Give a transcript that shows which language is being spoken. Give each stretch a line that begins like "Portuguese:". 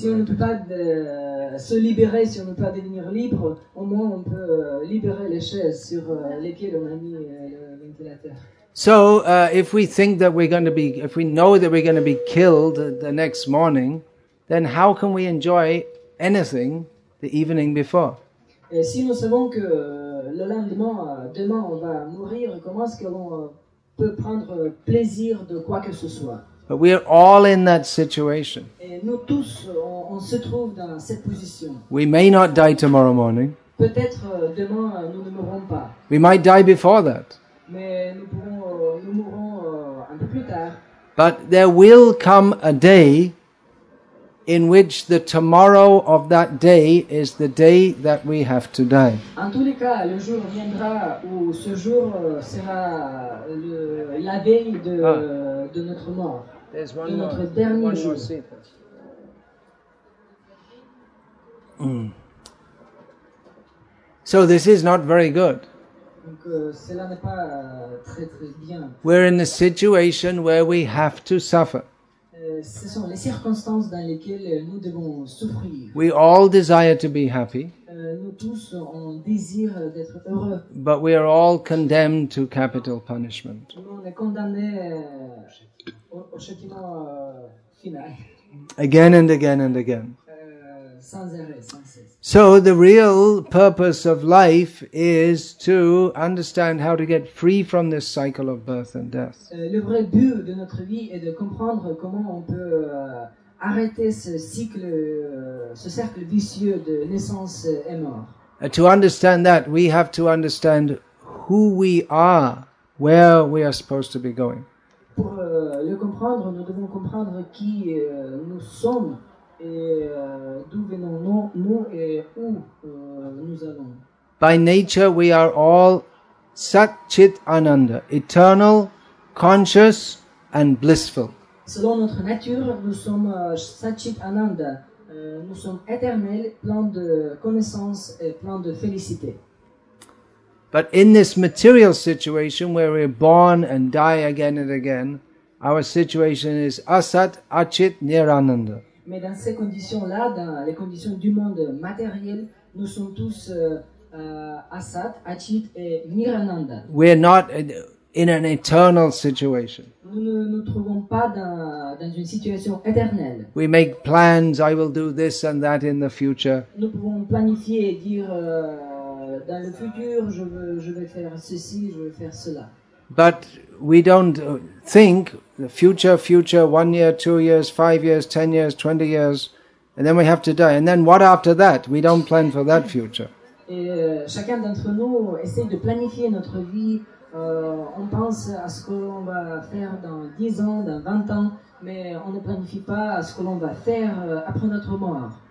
French: Si on ne peut pas se libérer, si on ne peut pas devenir libre, au moins on peut libérer les chaises sur lesquelles on a mis le ventilateur.
English: So, if we think that we're going to be, if we know that we're going to be killed the next morning, then how can we enjoy anything the evening before?
French: Et si nous savons que le lendemain, demain, on va mourir, comment est-ce que l'on peut prendre plaisir de quoi que ce soit?
English: But we are all in that situation.
French: Et nous tous, on se trouve dans cette position.
English: We may not die tomorrow morning.
French: Peut-être demain, nous ne mourrons pas.
English: We might die before that.
French: Mais nous mourrons un peu plus tard.
English: But there will come a day in which the tomorrow of that day is the day that we have to die.
French: En tous les cas, le jour viendra où ce jour sera la veille de notre mort.
English: There's one
French: de notre
English: more,
French: dernier
English: one
French: jour.
English: So this is not very good.
French: Donc, cela n'est pas très très bien.
English: We're in a situation where we have to suffer.
French: Ce sont les circonstances dans lesquelles nous devons souffrir.
English: We all desire to be happy.
French: Nous tous, on désire d'être heureux.
English: But we are all condemned to capital punishment.
French: Nous, on est condamnés au châtiment final.
English: Again and again and again.
French: Sans arrêt, sans cesse.
English: So the real purpose of life is to understand how to get free from this cycle of birth and death.
French: Le vrai but de notre vie est de comprendre comment on peut arrêter ce cycle, ce cercle vicieux de naissance et mort.
English: To understand that, we have to understand who we are. where we are supposed to be going.
French: Pour le comprendre, nous devons comprendre qui nous sommes et d'où venons nous et où nous allons.
English: By nature, we are all Sat-Chit-Ananda, eternal, conscious and blissful.
French: Selon notre nature, nous sommes Sat-Chit-Ananda. Nous sommes éternels, pleins de connaissances et pleins de félicité.
English: But in this material situation where we are born and die again and again, our situation is Asat-Achit-Nirananda.
French: Mais dans ces conditions-là, dans les conditions du monde matériel, nous sommes tous Asat, Achit et Nirananda.
English: We're not in an eternal situation.
French: Nous ne nous trouvons pas dans une situation éternelle.
English: We make plans, I will do this and that in the future.
French: Nous pouvons planifier et dire dans le futur je vais faire ceci, je vais faire cela.
English: But we don't think the future, 1 year, 2 years, 5 years, 10 years, 20 years, and then we have to die. And then what after that? We don't plan for that future.
French: Et chacun d'entre nous essaie de planifier notre vie. On pense à ce que l'on va faire dans 10 ans, dans 20 ans, mais on ne planifie pas à ce que l'on va faire après notre mort.